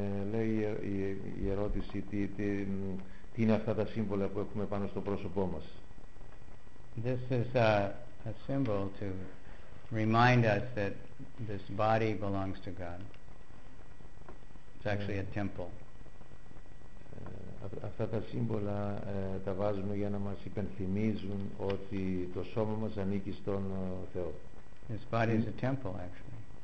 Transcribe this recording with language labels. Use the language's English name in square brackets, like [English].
[Greek] Λέει η ερώτηση τι είναι αυτά τα σύμβολα που έχουμε πάνω στο πρόσωπό μας. [English] This is a symbol to remind us that this body belongs to God. It's actually a temple. [Greek] Αυτά τα σύμβολα τα βάζουμε για να μας υπενθυμίζουν ότι το σώμα μας ανήκει στον Θεό. [English] This body is a temple, actually.